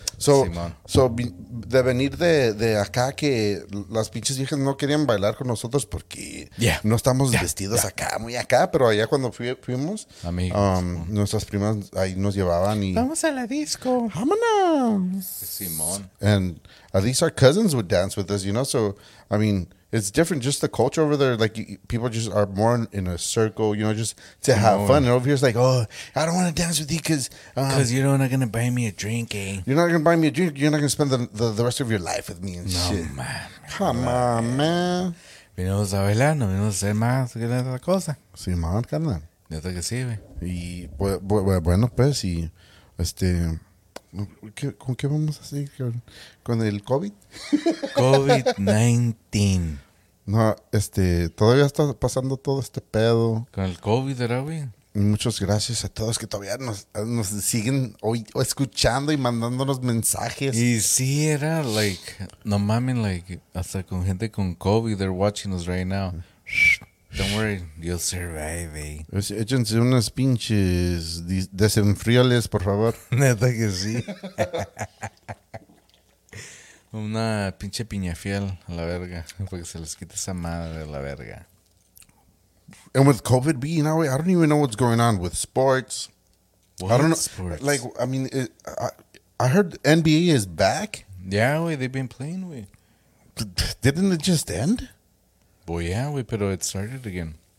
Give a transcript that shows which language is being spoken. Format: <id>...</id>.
<es>So de venir de acá, que las pinches viejas no querían bailar con nosotros porque no estamos vestidos acá, muy acá. Pero allá cuando fuimos, amigos, nuestras primas ahí nos llevaban y... Vamos a la disco. Vámonos. Simón.</es> <en>And at least our cousins would dance with us, you know. So, I mean, it's different, just the culture over there. Like, people just are more in a circle, you know, just to have fun. And over here, it's like, oh, I don't want to dance with you because you're not going to buy me a drink, eh? You're not going to buy me a drink. You're not going to spend the rest of your life with me and shit. No, man. Come on, man.</en> <es>Venimos a bailar, no venimos a hacer más que otra cosa. Sí, man, carnal. Yo creo que sí, güey. Y bueno, pues, y este... ¿Con qué vamos a seguir? ¿Con el COVID? COVID-19. No, todavía está pasando todo este pedo. ¿Con el COVID, era bien? Muchas gracias a todos que todavía nos siguen escuchando y mandándonos mensajes. Y sí, era like, no mames, like, hasta con gente con COVID,</es> <en>they're watching us right now. Don't worry, you'll survive, eh?</en> <es>Échense unas pinches desenfriales, por favor. Neta que sí. Una pinche piña fiel a la verga. Porque se les quita esa madre de la verga.</es> <en>And with COVID being out, I don't even know what's going on with sports. What? I don't know. Sports? Like, I mean, I heard NBA is back. Yeah, wey, they've been playing, wey. Didn't it just end? Well, yeah, we put it started again.</en>